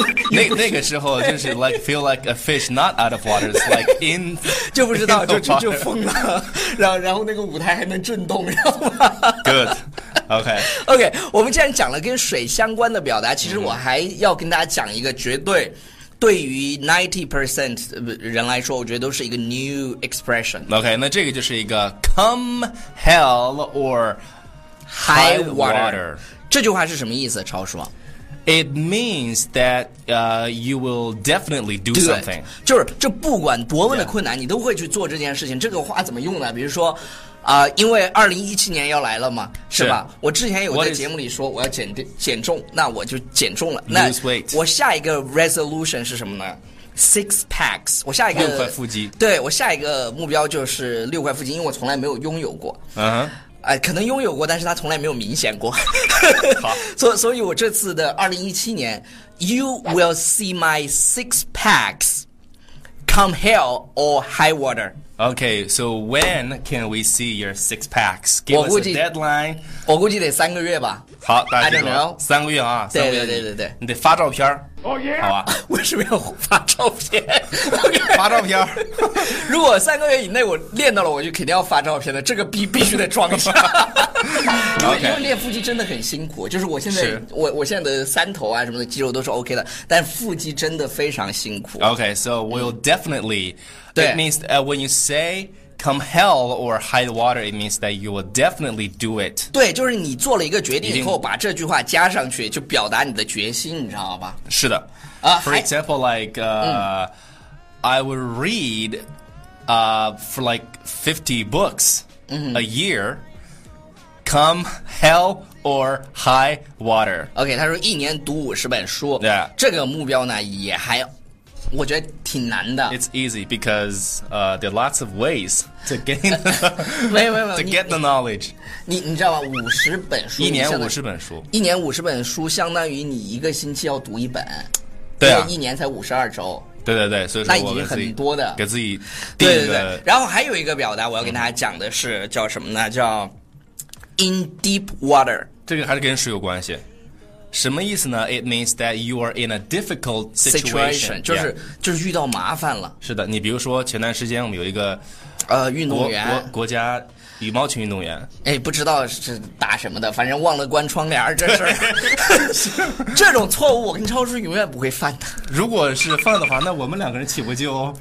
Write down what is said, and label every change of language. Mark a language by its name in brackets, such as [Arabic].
[Chinese] 那个时候就是 [English] like feel like a fish not out of water, it's like in [Chinese] 就不知道就疯了，然后那个舞台还能震动，知道吗 [English] ？Good, OK, [Chinese] OK. 我们既然讲了跟水相关的表达，其实我还要跟大家讲一个绝对对于 90% 人来说，我觉得都是一个 [English] new expression. [Chinese] OK, 那这个就是一个 [English] come hell or high water. [Chinese] 这句话是什么意思，超叔？ [English] It means that you will definitely do something. [Chinese] 就是这不管多么的困难，你都会去做这件事情。这个话怎么用呢？比如说，因为2017年要来了嘛，是吧？我之前有在节目里说我要减重，那我就减重了。那 [English] lose weight. [Chinese] 我下一个 resolution 是什么呢？ [English] Six packs. [Chinese] 我下一个六块腹肌。对，我下一个目标就是六块腹肌，因为我从来没有拥有过。 Uh-huh. 可能拥有过，但是他从来没有明显过。好，所以我这次的2017年 [English] ，You will see my six packs, come hell or high water. Okay, so when can we see your six packs? Give us a deadline. [Chinese] 我估计得三个月吧。好，大家记住，三个月啊，三个月。对对对对对，你得发照片。 [English] Oh yeah. [Chinese] 好吧，为什么要发照片？ [English] Okay. [Chinese] 发照片。如果三个月以内我练到了，我就肯定要发照片的。这个必须得装上。因为练腹肌真的很辛苦，就是我现在我现在的三头啊什么的肌肉都是 OK 的，但腹肌真的非常辛苦。 [English] Okay, so we'll definitely. That means when you say. Come hell or high water, it means that you will definitely do it. [Chinese] 对，就是你做了一个决定以后，把这句话加上去，就表达你的决心，你知道吧？是的。 [English] For example, I would read for like 50 books a year. Come hell or high water. [Chinese] Okay, 他说一年读50本书。 [English] Yeah. [Chinese] 这个目标呢，也还。我觉得挺难的。 [English] It's easy because there are lots of ways to gain to get the knowledge. [Chinese] 你知道吧？50本书，一年50本书，一年50本书相当于你一个星期要读一本。对啊，一年才52周。对对对，所以说那已经很多的，给自己定一个。对对对，然后还有一个表达我要跟大家讲的是叫什么呢？叫 [English] in deep water。 [Chinese] 这个还是跟水有关系。什么意思呢 [English] ？It means that you are in a difficult situation， [Chinese] 就是遇到麻烦了。是的，你比如说前段时间我们有一个运动员，国家羽毛球运动员。哎，不知道是打什么的，反正忘了关窗帘这事儿。这种错误我跟超叔永远不会犯的。如果是犯的话，那我们两个人岂不就